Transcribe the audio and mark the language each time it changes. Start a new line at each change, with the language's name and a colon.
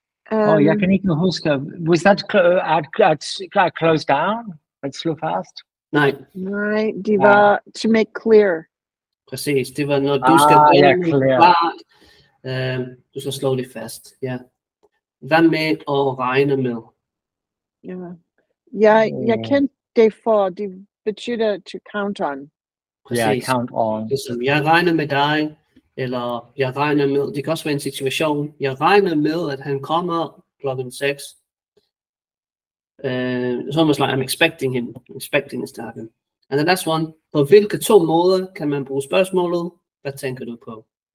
Danish: Jeg kan ikke huske.
English: Was that close down?
Danish: At slå fast? Nej, det var
English: to make clear.
Danish: Præcis, det var når du skal gøre det klart. Du skal slå det fast, ja. Hvad med at regne med?
Swedish: Jag kan det för det betyder
English: to count on.
Swedish: Precis.
English: Yeah, count on.
Swedish: Jag räknar med dig, eller jag räknar med, det kan också vara en situation, jag räknar med att han kommer klockan sex.
English: It's almost like I'm expecting him, expecting this to happen. And the last one,
Danish: på vilka to måder kan man bruge spørgsmålet, hvad tænker du på?